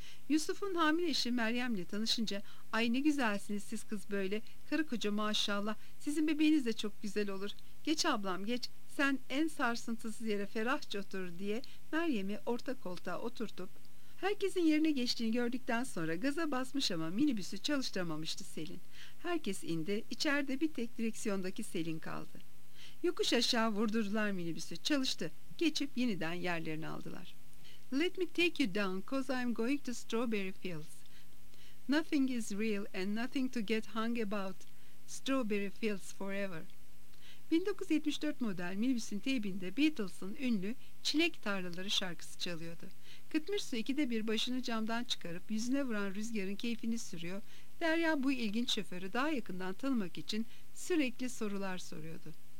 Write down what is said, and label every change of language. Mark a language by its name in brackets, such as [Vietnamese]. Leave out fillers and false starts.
[Turkish] Yusuf'un hamile eşi Meryem'le tanışınca, ay ne güzelsiniz siz kız böyle, karı koca maşallah, sizin bebeğiniz de çok güzel olur, geç ablam geç, sen en sarsıntısız yere ferahça otur diye Meryem'i orta koltuğa oturtup, herkesin yerine geçtiğini gördükten sonra gaza basmış ama minibüsü çalıştıramamıştı Selin. Herkes indi, içeride bir tek direksiyondaki Selin kaldı. Yokuş aşağı vurdurdular minibüsü, çalıştı, geçip yeniden yerlerini aldılar. [English] Let me take you down, 'cause I'm going to Strawberry Fields. Nothing is real and nothing to get hung about. Strawberry Fields forever. [Turkish] 1974 model minibüsün teybinde Beatles'ın ünlü Çilek Tarlaları şarkısı çalıyordu. Kıtmırsu ikide bir başını camdan çıkarıp yüzüne vuran rüzgarın keyfini sürüyor. Derya bu ilginç şoförü daha yakından tanımak için sürekli sorular soruyordu.